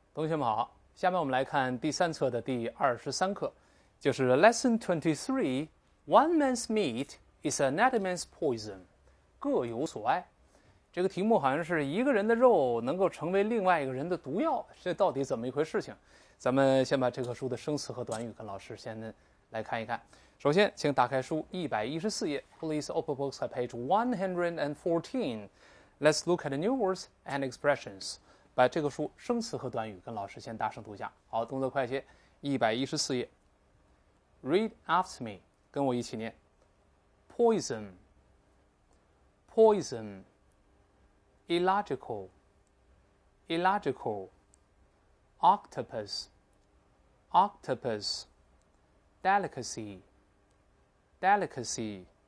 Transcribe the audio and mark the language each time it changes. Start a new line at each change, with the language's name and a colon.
Chinese: 同学们好，下面我们来看第三册的第23课，就是 Lesson 23,
English: One man's meat is another man's poison,
Chinese: 各有所爱。这个题目好像是一个人的肉能够成为另外一个人的毒药，这到底怎么一回事情？咱们先把这个书的生词和短语跟老师先来看一看。首先请打开书114页，
English: Please open books at page 114. Let's look at the new words and expressions.
Chinese: 把这个书生词和短语跟老师先大声读一下。好，动作快些。114页。
English: Read after me,
Chinese: 跟我一起念。
English: Poison, poison. Illogical, illogical. Octopus, octopus. Delicacy, delicacy.